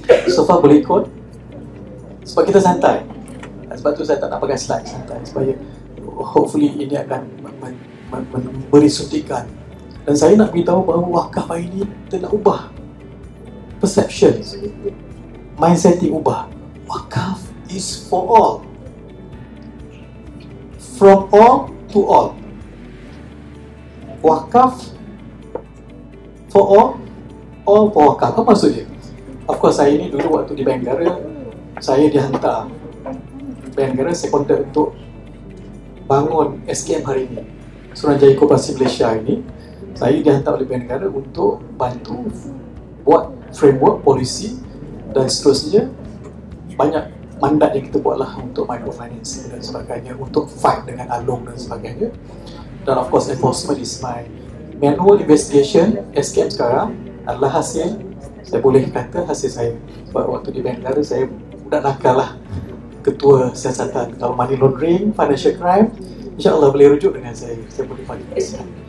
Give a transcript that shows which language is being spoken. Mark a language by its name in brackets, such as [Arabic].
[English] So far [Malay] boleh ikut? Sebab kita santai. Sebab tu saya tak nak pakai slide, santai. Supaya hopefully ini akan memberi suntikan. Dan saya nak beritahu bahawa wakaf hari ini telah ubah [English] perception, mindset [Malay] diubah. [English] Wakaf is for all, from all to all. Wakaf for all for wakaf. [Malay] Apa maksudnya? [English] Of course [Malay] saya ini dulu waktu di Bengara, saya dihantar Bengara sekunder untuk bangun SKM hari ini, Suruhanjaya Koperasi Malaysia ini. Saya dihantar oleh Bengara untuk bantu buat framework policy dan seterusnya. Banyak mandat yang kita buatlah untuk microfinance dan sebagainya, untuk [English] fight [Malay] dengan alung dan sebagainya. Dan [English] of course enforcement is my manual investigation. [Malay] SKM sekarang adalah hasil, saya boleh kata hasil saya. Sebab waktu di Bengara saya budak nakal lah, ketua siasatan kalau [English] money laundering, financial crime. [Malay] InsyaAllah boleh rujuk dengan saya, saya boleh bagi nasihat.